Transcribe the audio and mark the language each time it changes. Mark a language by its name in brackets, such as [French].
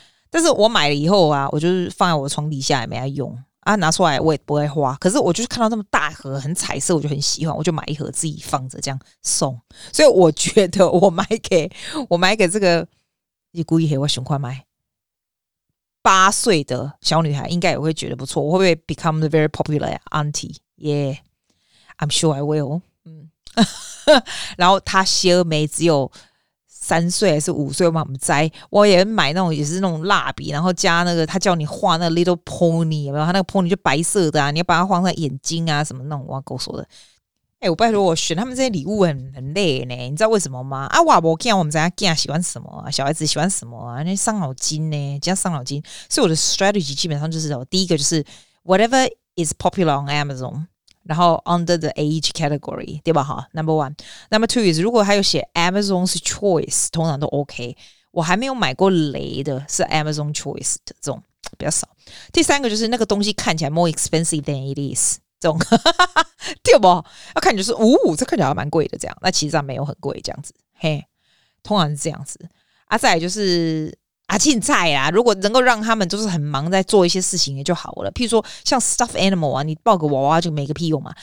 [Chinese] 但是我买了以后啊，我就是放在我的床底下也没来用啊，拿出来我也不会花。可是我就是看到这么大盒很彩色，我就很喜欢，我就买一盒自己放着这样送。所以我觉得我买给这个，你故意黑我想快买8岁的小女孩应该也会觉得不错。我会不会 [English] become the very popular auntie？ Yeah， I'm sure I will。 [Chinese] 嗯，然后她小妹只有3岁还是5岁，我们摘，我也买那种也是那种蜡笔，然后加那个他叫你画那个 little pony， 有没有？他那个 pony 就白色的啊，你要把它画上眼睛啊什么那种，我跟我说的。哎、欸，我拜托我选他们这些礼物很累呢，你知道为什么吗？啊，我不看我们怎样看喜欢什么、啊，小孩子喜欢什么啊？那伤脑筋呢，这样伤脑筋。所以我的 strategy 基本上就是什么，第一个就是 [English] whatever is popular on Amazon。 [Chinese] 然后 [English] under the age category， [Chinese] 对吧？哈 ， [English] Number one，Number two is [Chinese] 如果还有写 Amazon's choice， 通常都 OK。我还没有买过雷的，是 Amazon choice 的这种比较少。第三个就是那个东西看起来 [English] more expensive than it is， [Chinese] 这种对吧？要看就是，呜、哦，这看起来还蛮贵的，这样，那其实上没有很贵，这样子，嘿，通常是这样子。啊，再来就是。啊，现在啊，如果能够让他们就是很忙在做一些事情也就好了。譬如说像 stuff animal 啊，你抱个娃娃就没个屁用嘛。